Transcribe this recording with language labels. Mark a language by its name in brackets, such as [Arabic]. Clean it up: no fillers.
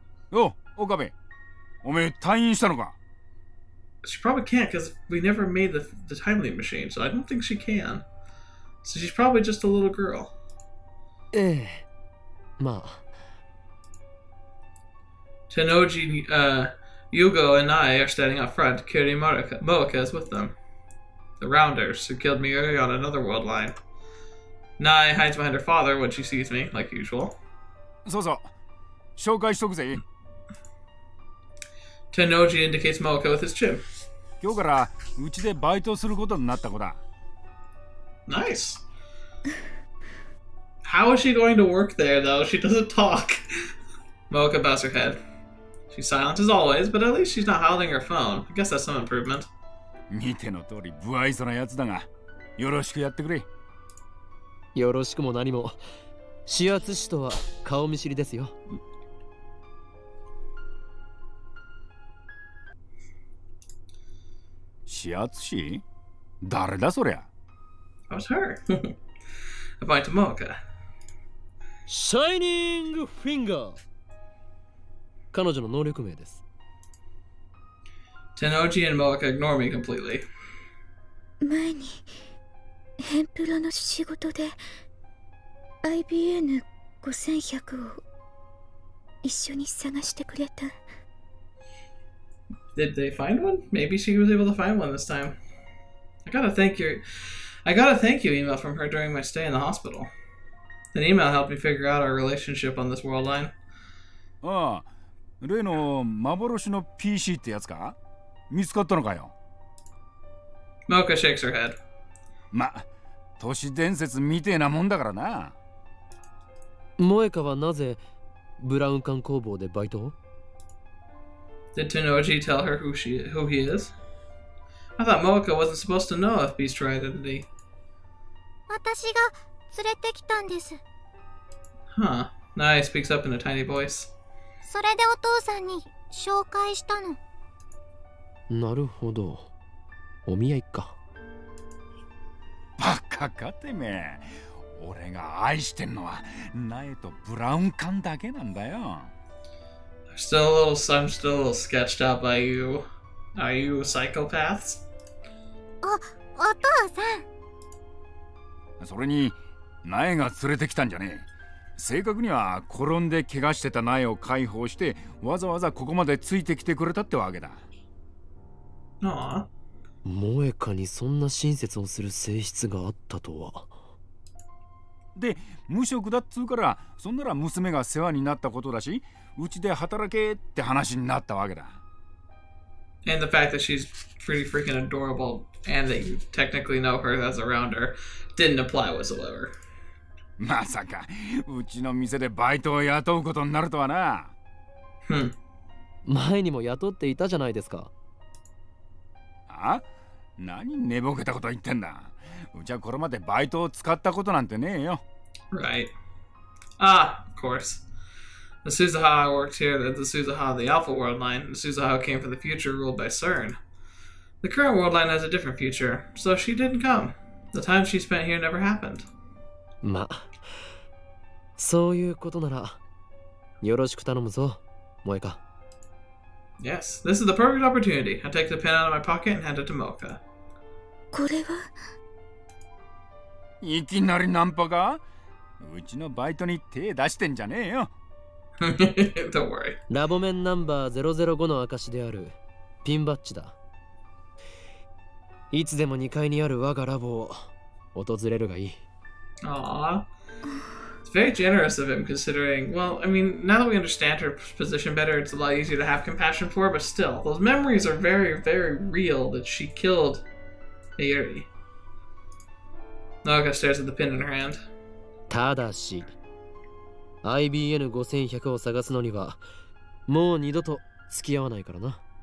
[Japanese] お、岡部、おめえ退院したのか。 [English] She probably can't because we never made the time leap machine, so I don't think she can. So she's probably just a little girl. [Japanese] ええ、まあ。 [English] Tennoji, Yugo and I are standing up front, carrying Moika is with them. The rounders who killed me earlier on another world line. Nai hides behind her father when she sees me, like usual. [Japanese] そうそう、紹介しとくぜ。 [English] Tennoji indicates Moika with his chin. [Japanese] 今日からうちでバイトすることになった子だ。 [English] Nice. How is she going to work there though? She doesn't talk. Moika bows her head. She's silent as always, but at least she's not holding her phone. I guess that's some improvement. [Japanese] 見ての通り不愛想なやつだが、よろしくやってくれ。よろしくも何も。始圧師とは顔見知りですよ。指圧師？誰だそりゃ。 [English] That was her. I point to Moika. [Japanese] Shining Finger. 彼女の能力名です。 [English] Tennoji and Moika ignore me completely. [Japanese] 前にヘンプロの仕事で IBN5100 を一緒に探してくれた。 [English] Did they find one? Maybe she was able to find one this time. I got a thank you email from her during my stay in the hospital. An email helped me figure out our relationship on this world line. [Japanese] ああ、例の幻の PC ってやつか？見つかったのかよ。 [English] Moika shakes her head. [Japanese] ま、都市伝説みてえなもんだからな。 Moika はなぜブラウン管工房でバイトを？ [English] Did Tennoji tell her who he is? I thought Moika wasn't supposed to know FB's true identity. [Japanese] 私が連れてきたんです。 [English] Huh. Nai speaks up in a tiny voice. [Japanese] それでお父さんに紹介したの。なるほど。お見合いか。バカかてめえ。俺が愛してんのは Nai とブラウン管だけなんだよ。 [English] I'm still a little sketched out by you. Are you psychopaths? [Japanese] お父さん! それに、ナエが連れてきたんじゃねえ。正確には転んで怪我してたナエを解放して、わざわざここまでついてきてくれたってわけだ。ああ。モエカにそんな親切をする性質があったとは。で、無職だっつうから、そんなら娘が世話になったことだし、うちで働けって話になったわけだ。 [English] And the fact that she's pretty freaking adorable and that you technically know her as a rounder didn't apply whatsoever. [Japanese] まさか、うちの店でバイトを雇うことになるとはな。 Hmm. 前にも雇っていたじゃないですか。あ？何寝ぼけたこと言ってんだ。うちはこれまでバイトを使ったことなんてねえよ。 [English] Right. Ah, of course. The Suzuha worked here, the Suzuha of the Alpha World Line. The Suzuha came from the future ruled by CERN. The current world line has a different future, so she didn't come. The time she spent here never happened. [Japanese] まあ、そういうことなら、よろしく頼むぞ、モエカ。 [English] Yes, this is the perfect opportunity. I take the pen out of my pocket and hand it to Mocha. [Japanese] これは… いきなりナンパか? うちのバイトに手出してんじゃねえよ。 [English] Don't worry. [Japanese] ラボメンナンバー005の証であるピンバッジだ。いつでも2階にある我がラボを訪れるがいい。 [English] It's very generous of him considering, well, I mean, now that we understand her position better, it's a lot easier to have compassion for her, but still, those memories are very, very real that she killed Mayuri. Naoka stares at the pin in her hand. [Japanese] ただし、IBN 5100を探すのには、もう二度と付き合わないからな。